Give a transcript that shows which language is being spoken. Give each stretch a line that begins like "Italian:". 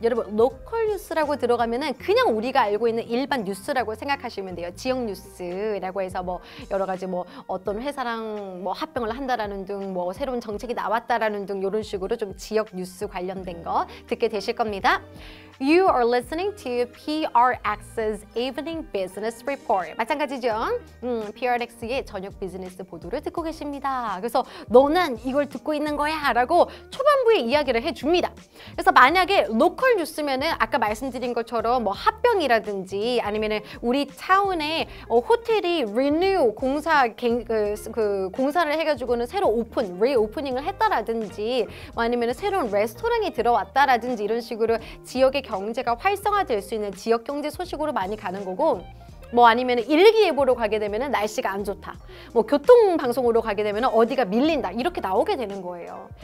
Korean: 여러분, 로컬 뉴스라고 들어가면 그냥 우리가 알고 있는 일반 뉴스라고 생각하시면 돼요. 지역 뉴스라고 해서 뭐 여러 가지 뭐 어떤 회사랑 뭐 합병을 한다라는 등 뭐 새로운 정책이 나왔다라는 등 이런 식으로 좀 지역 뉴스 관련된 거 듣게 되실 겁니다.
English: You are listening to PRX's Evening Business Report.
Korean: 마찬가지죠. PRX의 저녁 비즈니스 보도를 듣고 계십니다. 그래서 너는 이걸 듣고 있는 거야 라고 초반부에 이야기를 해줍니다. 그래서 만약에 로컬 뉴스면은 아까 말씀드린 것처럼 뭐 합병이라든지 아니면은 우리 타운에 호텔이 renew 공사 그 공사를 해가지고는 새로 오픈 리오프닝을 했다라든지 뭐 아니면은 새로운 레스토랑이 들어왔다라든지 이런 식으로 지역의 경제가 활성화될 수 있는 지역 경제 소식으로 많이 가는 거고 뭐 아니면 일기예보로 가게 되면 날씨가 안 좋다 뭐 교통방송으로 가게 되면 어디가 밀린다 이렇게 나오게 되는 거예요.